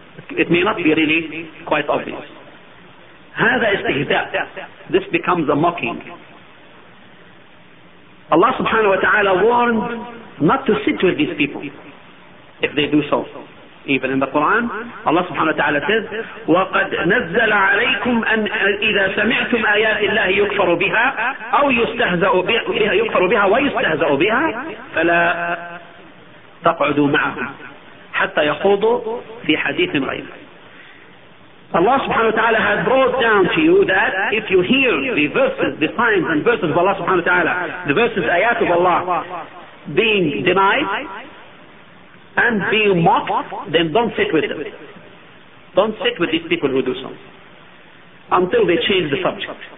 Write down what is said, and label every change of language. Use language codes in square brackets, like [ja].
[en] It may not be really quite obvious. [ar] هذا استهزاء. [en] This becomes a mocking. Allah subhanahu wa ta'ala warned not to sit with these people if they do so. Even in the Quran, Allah subhanahu wa ta'ala says, [ar] وَقَدْ نَزَّلَ عَلَيْكُمْ أَنْ إِذَا سَمِعْتُمْ آيَاتِ اللَّهِ يُكْفَرُ بِهَا أَوْ يُسْتَهْزَأُ بِهَا يُكْفَرُ بِهَا وَيُسْتَهْزَأُ بِهَا فَلَا تَقْعُدُوا مَعَهُمْ حَتَّى يَخُوضُوا فِي حَدِيثٍ غَيْرٍ. [en] Allah subhanahu wa ta'ala has brought down to you that if you hear the verses, the signs and verses of Allah subhanahu wa ta'ala, the verses, ayat of Allah being denied, and being mocked, then don't sit with them. Don't sit with these people who do so. Until they change the subject.